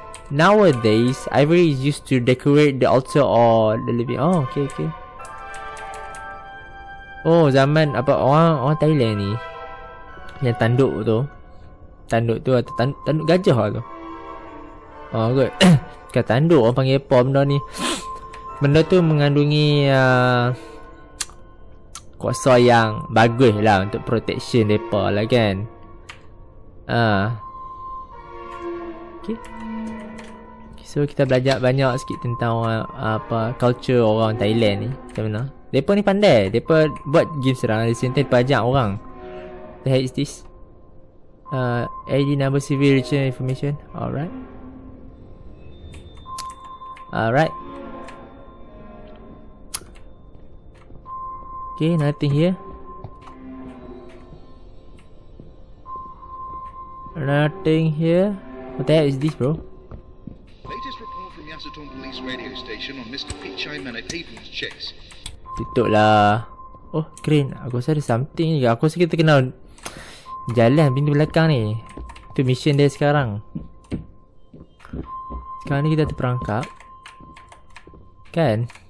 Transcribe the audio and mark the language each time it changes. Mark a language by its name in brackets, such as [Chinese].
[English] Nowadays, ivory is used to decorate the altar or the living. Oh, okay. [Malay] Oh, zaman apa orang Thailand ni yang tanduk tu atau tanduk gajah lah tu. Oh, good. Kata tanduk orang panggil apa benda ni? Benda tu mengandungi kuasa yang bagus lah untuk protection mereka lah kan. Okay. So kita belajar banyak sikit tentang apa culture orang Thailand ni. Macam mana? Mereka ni pandai. Mereka buat game serang. Di sini mereka ajak orang. [English] The hell is this? ID number CV return information. Alright. Okay, nothing here. What the hell is this, bro? Latest report from the Acetone Police radio station on Mr. Pichai Manapapan's chase. [Malay] Tutup lah. Oh, crane. Aku rasa ada something juga. Aku rasa kita kena jalan pintu belakang ni. Itu mission dia sekarang. Sekarang ni kita terperangkap. Kan?